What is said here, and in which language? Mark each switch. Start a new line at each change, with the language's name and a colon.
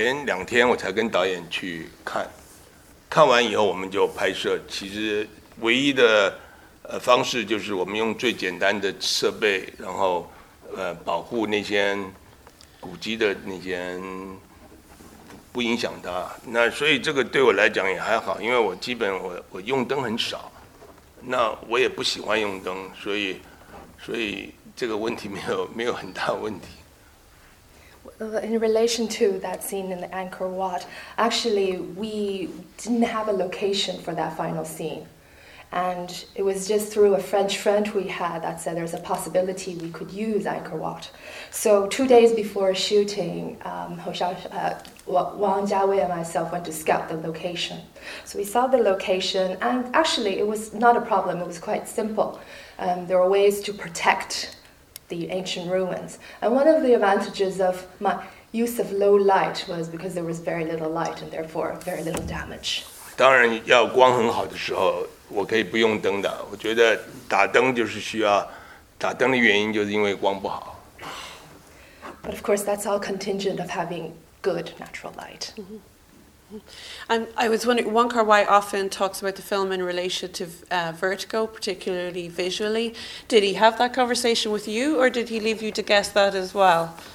Chinese: 那在这种古迹古寮的地方拍摄有什么特别的卡挑战？就是拍摄五个窟或者是聂隐娘。因为这个五个窟让我们拍摄，其实是我们那时候ending还没有场所，然后一个法国朋友告诉我们说，可能有希望可以去这个地方，所以在真正拍摄前两天我才跟导演去看。看完以后，我们就拍摄。其实唯一的方式就是我们用最简单的设备，然后保护那些古迹的那些不影响它。那所以这个对我来讲也还好，因为我基本我用灯很少，那我也不喜欢用灯，所以这个问题没有很大问题。
English: In relation to that scene in the Angkor Wat, actually, we didn't have a location for that final scene. And it was just through a French friend we had that said there's a possibility we could use Angkor Wat. So 2 days before shooting, Wang Jiawei and myself went to scout the location. So we saw the location, and actually, it was not a problem. It was quite simple. There were ways to protect the ancient ruins. And one of the advantages of my use of low light was because there was very little light and therefore very little damage.
Chinese: 当然要光很好的时候，我可以不用灯的。我觉得打灯就是需要，打灯的原因就是因为光不好。
English: But of course that's all contingent of having good natural light. Mm-hmm. And I was wondering, Wong Kar-wai often talks about the film in relation to vertigo, particularly visually. Did he have that conversation with you, or did he leave you to guess that as well?